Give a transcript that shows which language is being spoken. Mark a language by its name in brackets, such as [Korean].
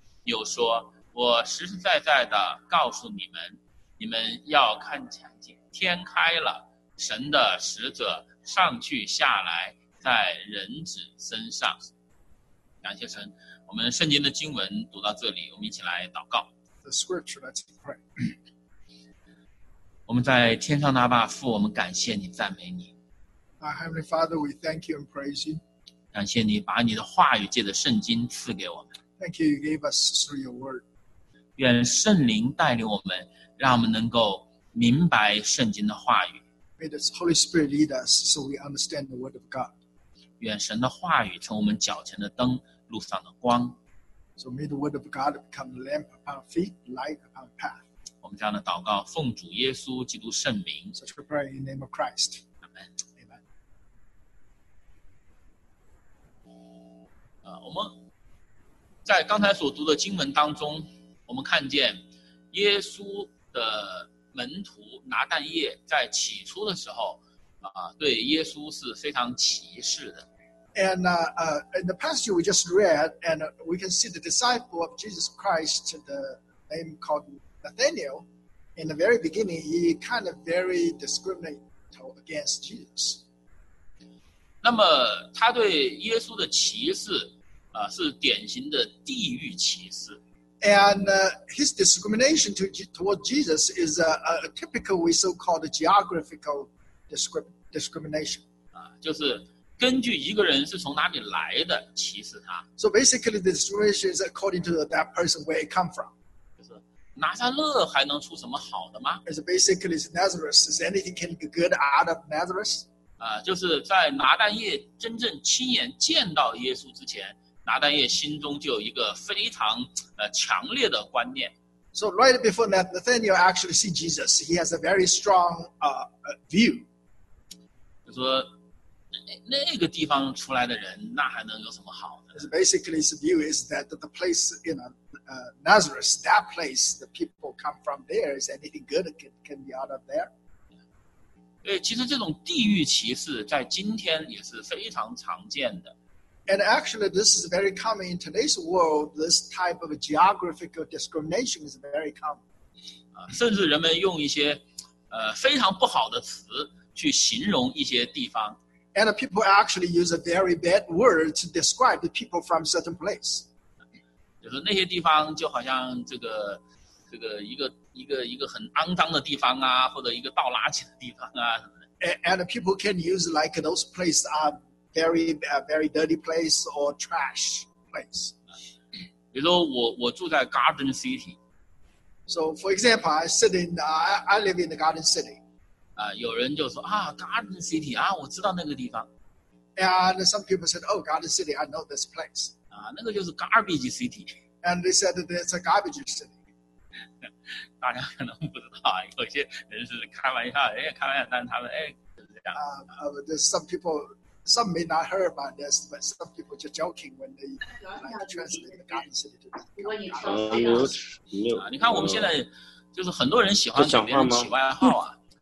[Chinese] 又说，我实实在在地告诉你们，你们要看见天开了，神的使者上去下来，在人子身上。感谢神，我们圣经的经文读到这里，我们一起来祷告。 [English] The scripture, let's pray. [Chinese] 我们在天上的阿爸父，我们感谢你，赞美你。 [English] Our Heavenly Father, we thank you and praise you. [Chinese] 感谢你把你的话语借着圣经赐给我们。 [English] Thank you, you gave us through your word. [Chinese] 愿圣灵带领我们，让我们能够明白圣经的话语。 [English] May the Holy Spirit lead us so we understand the word of God. [Chinese] 愿神的话语成我们脚前的灯，路上的光。 [English] So may the word of God become lamp upon our feet, light upon our path. [Chinese] 我们这样的祷告，奉主耶稣基督圣名。 [English] Such a prayer in the name of Christ. Amen. [Chinese] 我们在刚才所读的经文当中，我们看见耶稣的门徒拿但业在起初的时候，对耶稣是非常歧视的。 [English] And in the passage we just read, and we can see the disciple of Jesus Christ, the name called Nathanael, in the very beginning, he kind of very discriminatory against Jesus. [Chinese] 那么他对耶稣的歧视。是典型的地域歧视。 [English] And his discrimination toward Jesus is a typical, we so-called geographical discrimination. [Chinese] 就是根据一个人是从哪里来的歧视他。 [English] So basically, the discrimination is according to that person where it come from. [Chinese] 就是拿撒勒还能出什么好的吗 [English] ？It's basically Nazareth. Is anything can be good out of Nazareth? [Chinese] 就是在拿但业真正亲眼见到耶稣之前。拿但业心中就有一个非常强烈的观念。 [English] So right before Nathanael actually see Jesus, he has a very strong view. [Chinese] 就说 那个地方出来的人，那还能有什么好的 [English] ？Basically, his view is that the place in Nazareth, that place the people come from there, is anything good can be out of there. [Chinese] 对，其实这种地域歧视在今天也是非常常见的。 [English] And actually, this is very common in today's world. This type of geographical discrimination is very common. [Chinese] 甚至人们用一些非常不好的词去形容一些地方。 [English] And people actually use a very bad word to describe the people from certain place. [Chinese] 就是那些地方就好像这个一个很肮脏的地方啊，或者一个倒垃圾的地方啊。 [English] And people can use like those places are. Very, very dirty place or trash place. [Chinese] 比如说我住在 Garden City. [English] So, for example, I live in the Garden City. [Chinese] 有人就说Garden City, 我知道那个地方。 [English] And some people said, oh, Garden City, I know this place. [Chinese] 那个就是 Garbage City. [English] And they said that it's a garbage city. [Chinese] 大家可能不知道，有些人是开玩笑，开玩笑，但他们就是这样。 [English] There's some people. Some may not hear about this, but some people just joking when they translate the Garden City to the Garden [Chinese] City. 你看我们现在就是很多人喜欢给别人起外号啊。